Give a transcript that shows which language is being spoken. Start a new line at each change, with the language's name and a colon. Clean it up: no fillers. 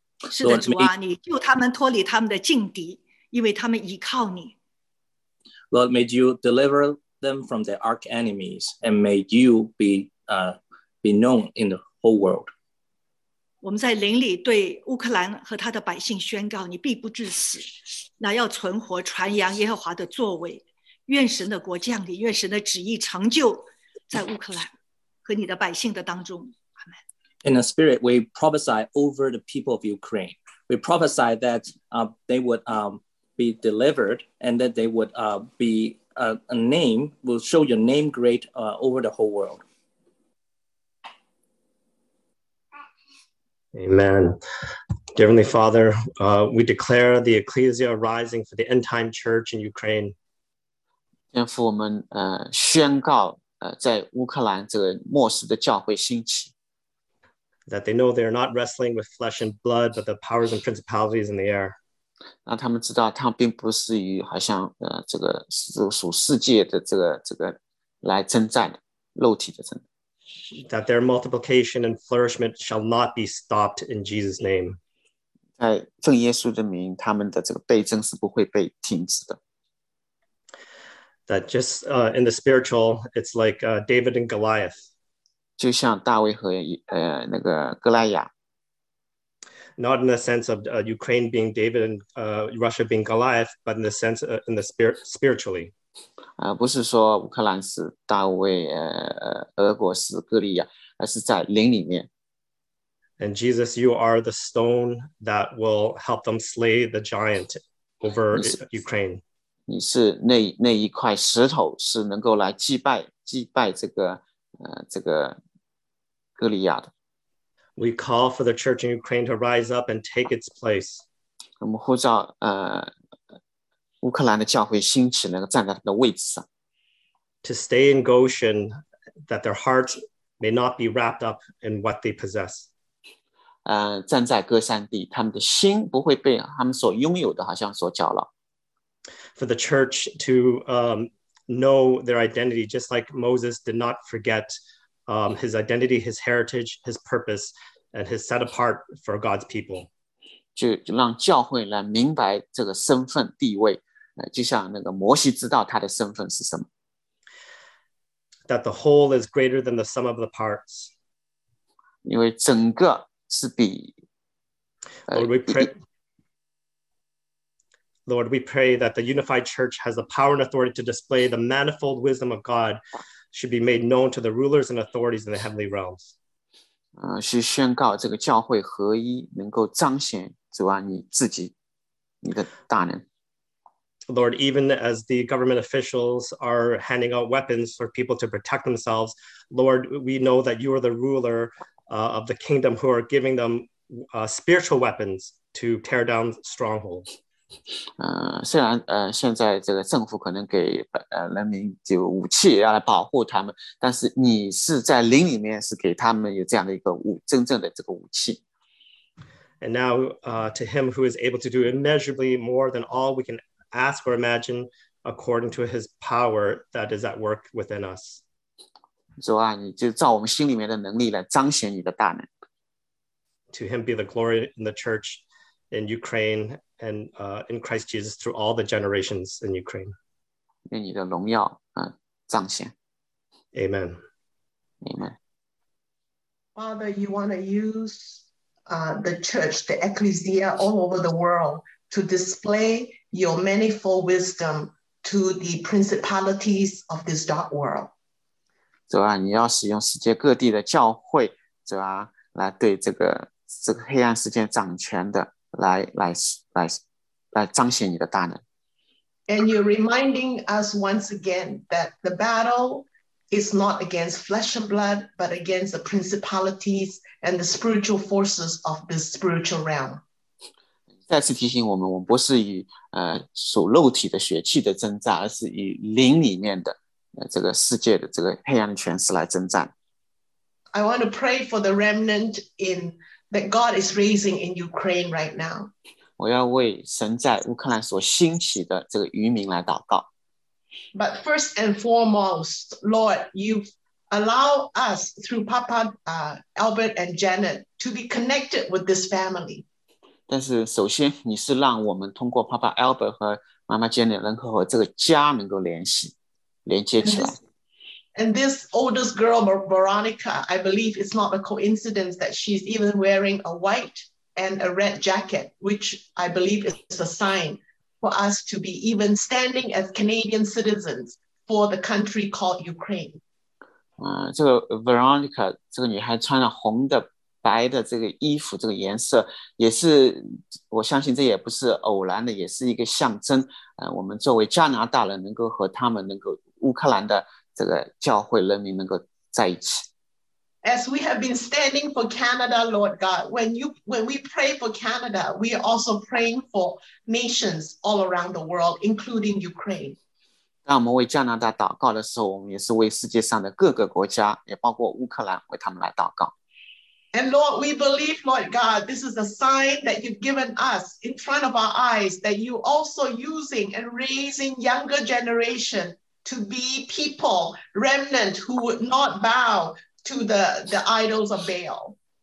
Chinese: 是的，主啊，你救他们脱离他们的境地，因为他们依靠你。
English: Lord, may you deliver them from their arch enemies, and may you be known in the whole world.
Chinese: 我们在灵里对乌克兰和他的百姓宣告，你必不致死。那要存活传扬耶和华的作为，愿神的国降临，愿神的旨意成就在乌克兰和你的百姓的当中。
English: Amen. In the spirit we prophesy over the people of Ukraine. We prophesy that they would be delivered, and that they would be a name, will show your name great over the whole world. Amen. Dear Heavenly Father, we declare the Ecclesia rising for the end time church in Ukraine.
Chinese: 天父，我们宣告在乌克兰这个末世的教会兴起。
English: That they know they are not wrestling with flesh and blood, but the powers and principalities in the air.
Chinese: 让他们知道，他们并不是与好像这个属世界的这个来征战，肉体的征战。
English: That their multiplication and flourishment shall not be stopped in Jesus' name.
Chinese: 在奉耶稣的名，他们的这个倍增是不会被停止的。
English: That just in the spiritual, it's like David and Goliath.
Chinese: 就像大卫和那个哥利亚。
English: Not in the sense of Ukraine being David and Russia being Goliath, but in the sense in the spiritually.
Chinese: 不是说乌克兰是大卫，俄国是哥利亚，而是在灵里面。
English: And Jesus, you are the stone that will help them slay the giant over Ukraine.
Chinese: 你是那一块石头，是能够来击败这个哥利亚的。
English: We call for the church in Ukraine to rise up and take its place.
Chinese: 我们呼召乌克兰的教会兴起，能够站在他的位置上。
English: To stay in Goshen, that their hearts may not be wrapped up in what they possess.
Chinese: 站在歌山地，他们的心不会被他们所拥有的好像所搅扰。
English: For the church to know their identity, just like Moses did not forget his identity, his heritage, his purpose, and his set apart for God's people.
Chinese: 就让教会来明白这个身份地位，就像那个摩西知道他的身份是什么。
English: That the whole is greater than the sum of the parts.
Chinese: 因为整个是比。
English: Lord, we pray that the unified church has the power and authority to display the manifold wisdom of God should be made known to the rulers and authorities in the heavenly realms.
Chinese: 是宣告这个教会合一能够彰显主啊你自己你的大能。
English: Lord, even as the government officials are handing out weapons for people to protect themselves, Lord, we know that you are the ruler of the kingdom who are giving them spiritual weapons to tear down strongholds.
Chinese: 虽然现在这个政府可能给人民就武器要来保护他们，但是你是在灵里面是给他们有这样的一个武真正的这个武器。
English: And now, to him who is able to do immeasurably more than all we can ask or imagine, according to his power that is at work within us.
Chinese: 主啊，你就照我们心里面的能力来彰显你的大能。
English: To him be the glory in the church in Ukraine and in Christ Jesus through all the generations in Ukraine.
Chinese: 愿你的荣耀彰显。
English: Amen. Amen. Father, you want to use the church, the ecclesia all over the world to display your manifold wisdom to the principalities of this dark world.
Chinese: 主啊，你要使用世界各地的教会，主啊，来对这个黑暗世界掌权的来彰显你的大能。
English: And you're reminding us once again that the battle is not against flesh and blood, but against the principalities and the spiritual forces of this spiritual realm.
Chinese: 再次提醒我们，我们不是与属肉体的血气的征战，而是与灵里面的这个世界的这个黑暗权势来征战。
English: I want to pray for the remnant in. That God is raising in Ukraine right now.
Chinese: 我要为神在乌克兰所兴起的这个余民来祷告。
English: But first and foremost, Lord, you've allowed us through Papa Albert and Janet to be connected with this family.
Chinese: 但是首先你是让我们通过 Papa Albert 和妈妈 Janet 能够和这个家能够连接起来。
English: And this oldest girl, Veronica, I believe it's not a coincidence that she's even wearing a white and a red jacket, which I believe is a sign for us to be even standing as Canadian citizens for the country called Ukraine.
Chinese: 这个 Veronica, 这个女孩穿了红的、白的这个衣服，这个颜色也是，我相信这也不是偶然的，也是一个象征。我们作为加拿大人，能够和他们，能够乌克兰的。这个教会人民能够在一起。
English: As we have been standing for Canada, Lord God, when we pray for Canada, we are also praying for nations all around the world, including Ukraine.
Chinese: 当我们为加拿大祷告的时候，我们也是为世界上的各个国家，也包括乌克兰，为他们来祷告。
English: And Lord, we believe, Lord God, this is a sign that you've given us in front of our eyes that you also using and raising younger generation. To be people, remnant who would not bow to the idols of Baal.